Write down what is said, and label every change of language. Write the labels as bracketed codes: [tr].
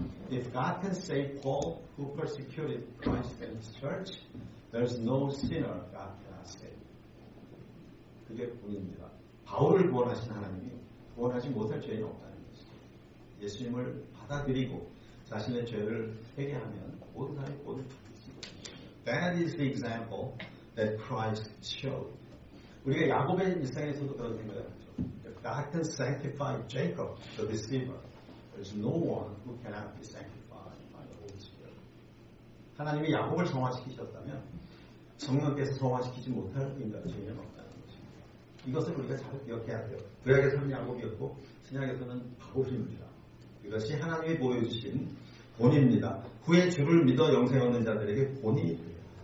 [en] If God can save Paul, who persecuted Christ and his church, there's no sinner God cannot save. [ko] 그게 본입니다. 바울을 구원하신 하나님이 구원하지 못할 죄는 없다는 것이죠. 예수님을 받아들이고 자신의 죄를 회개하면 모든 사람이 구원을 받습니다. [en] That is the example that Christ showed. [ko] 우리가 야곱의 일생에서도 그런 생각을 하죠. [en] If God can sanctify Jacob, the deceiver, there's no one who cannot be sanctified by the Holy Spirit. [ko] 하나님이 야곱을 성화시키셨다면 성령께서 성화시키지 못할 인간은 죄는 없다. 이것을 우리가 잘 기억해야 돼요. 구약에서는 야곱이었고 신약에서는 바울입니다. 이것이 하나님이 보여주신 본입니다. 후에 주를 믿어 영생 얻는 자들에게 본이 되십니다.